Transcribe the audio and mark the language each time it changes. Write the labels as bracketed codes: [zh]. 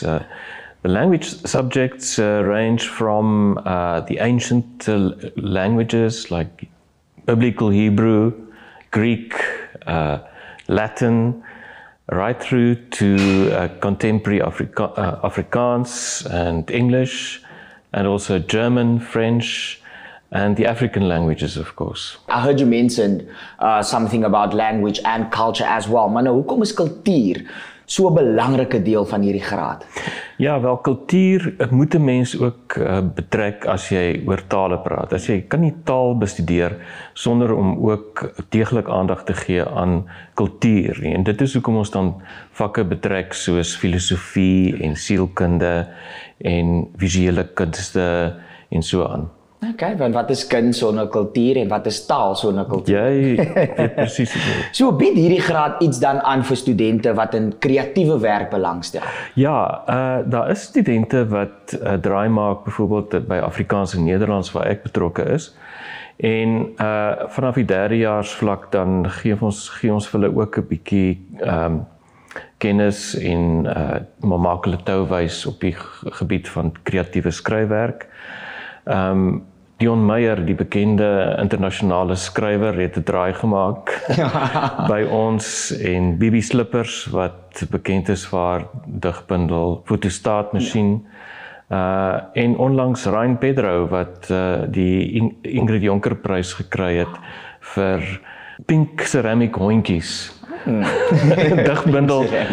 [en] The language subjects range from the ancient languages like Biblical Hebrew, Greek, Latin, right through to contemporary Afrikaans and English, and also German, French, and the African languages, of course. I heard you mentioned something about language and culture as well. [af] Maar nou, hoekom is kultuur so 'n belangrike deel van hierdie graad? Ja, wel, kultuur moet 'n mens ook betrek as jy oor tale praat. As jy kan nie taal bestudeer sonder om ook deeglik aandag te gee aan kultuur nie. En dit is hoekom ons dan vakke betrek soos filosofie en sielkunde en visuele kunste en so aan. Ok, want wat is kind sonder kultuur en wat is taal sonder kultuur? Jy weet precies. So bied hierdie graad iets dan aan vir studente wat in kreatieve werk belangstel? Ja, daar is studente wat draai maak, bijvoorbeeld by Afrikaans en Nederlands, waar ek betrokke is. En vanaf die derde jaarsvlak, dan gee ons vir hulle ook 'n bietjie kennis en maak hulle touwys op die gebied van kreatieve skryfwerk. Dion Meyer, die bekende internationale skrywer, het 'n draai gemaak by ons, en Bibi Slippers, wat bekend is vir haar digbundel Fotostaatmasjien, en onlangs Ryan Pedro, wat die Ingrid Jonker prys gekry het vir pink ceramic hondjies. digbundel.